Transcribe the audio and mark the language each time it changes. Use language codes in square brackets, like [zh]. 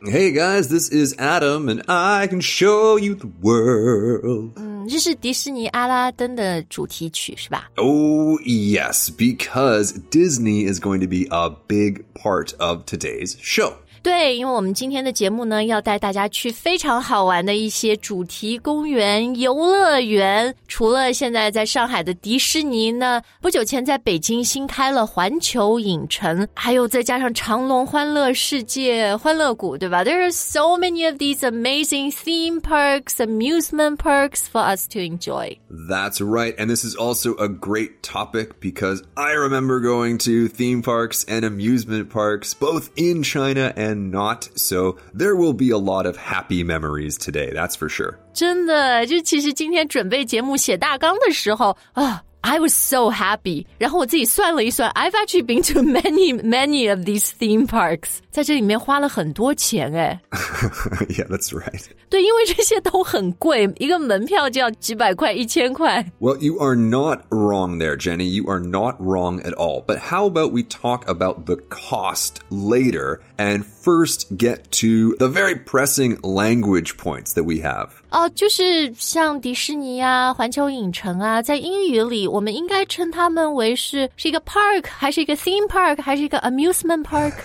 [en] Hey guys, this is Adam, and I can show you the world. [zh] 这是迪士尼阿拉丁的主题曲是吧 [en] ？Oh yes, because Disney is going to be a big part of today's show. [zh] 对，因为我们今天的节目呢，要带大家去非常好玩的一些主题公园、游乐园。除了现在在上海的迪士尼呢，不久前在北京新开了环球影城，还有再加上长隆欢乐世界、欢乐谷，对吧 ？ [en] There are so many of these amazing theme parks, amusement parks for us to enjoy. That's right, and this is also a great topic because I remember going to theme parks and amusement parks both in China and not, so there will be a lot of happy memories today, that's for sure. [zh] 真的，就其实今天准备节目写大纲的时候啊。 [en] I was so happy. [zh] 然后我自己算了一算 [en] I've actually been to many, many of these theme parks. [zh] 在这里面花了很多钱哎。 [en] Yeah, that's right. [zh] 对，因为这些都很贵，一个门票就要几百块，一千块。 [en] Well, you are not wrong there, Jenny. You are not wrong at all. But how about we talk about the cost later and first get to the very pressing language points that we have? [zh] 就是像迪士尼啊环球影城啊在英语里我们应该称他们为是一个 park, 还是一个 theme park, 还是一个 amusement park?